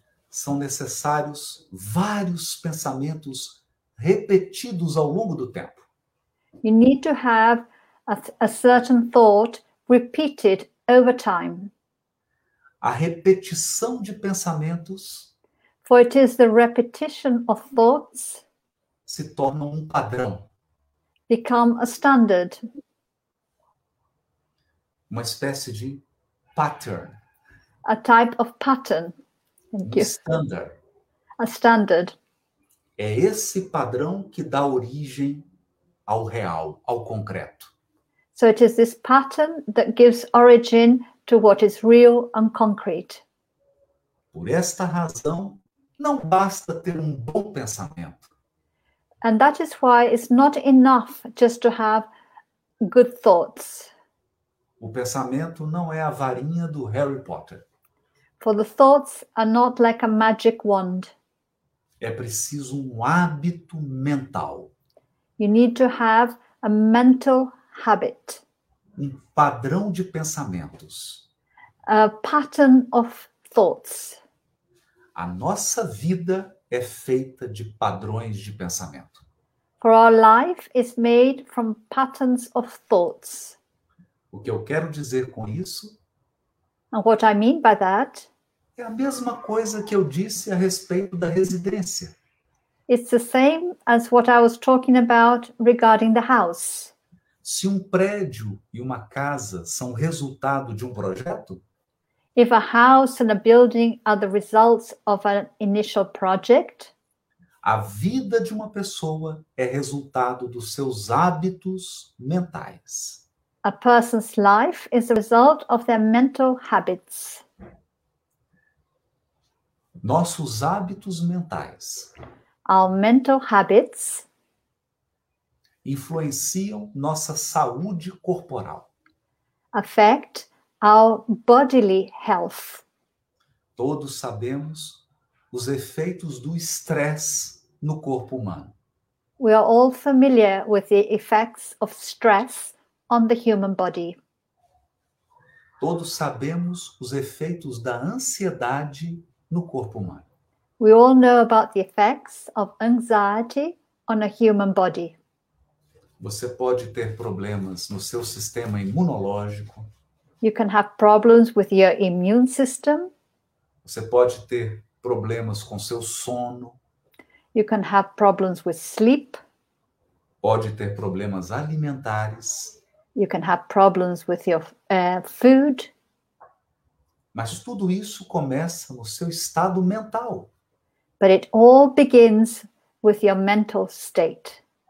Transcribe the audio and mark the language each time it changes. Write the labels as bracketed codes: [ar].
[pt] São necessários vários pensamentos repetidos ao longo do tempo. [en] You need to have a certain thought repeated over time. [pt] A repetição de pensamentos. [en] For it is the repetition of thoughts. [pt] Se torna padrão. [en] Become a standard. [pt] Uma espécie de pattern. [en] A type of pattern. Thank you. Standard. A standard. [pt] É esse padrão que dá origem ao real, ao concreto. [en] So it is this pattern that gives origin to what is real and concrete. [pt] Por esta razão, não basta ter bom pensamento. [en] And that is why it's not enough just to have good thoughts. [pt] O pensamento não é a varinha do Harry Potter. [en] For the thoughts are not like a magic wand. [pt] É preciso hábito mental. [en] You need to have a mental habit. [pt] Padrão de pensamentos. [en] A pattern of thoughts. [pt] A nossa vida é feita de padrões de pensamento. [en] For our life is made from patterns of thoughts. [pt] O que eu quero dizer com isso? [en] And what I mean by that? [pt] É a mesma coisa que eu disse a respeito da residência. [en] It's the same as what I was talking about regarding the house. [pt] Se prédio e uma casa são resultado de projeto? [en] If a house and a building are the results of an initial project? [pt] A vida de uma pessoa é resultado dos seus hábitos mentais. [en] A person's life is the result of their mental habits. [pt] Nossos hábitos mentais. [en] Our mental habits. [pt] Influenciam nossa saúde corporal. [en] Affect our bodily health. [pt] Todos sabemos os efeitos do estresse no corpo humano. [en] We are all familiar with the effects of stress on the human body. [pt] Todos sabemos os efeitos da ansiedade no corpo humano. [en] We all know about the effects of anxiety on a human body. [pt] Você pode ter problemas no seu sistema imunológico. [en] You can have problems with your immune system. [pt] Você pode ter problemas com seu sono. [en] You can have problems with sleep. [pt] Pode ter problemas alimentares. [en] You can have problems with your food. [pt] Mas tudo isso começa no seu estado mental. [en] But it all begins with your mental state.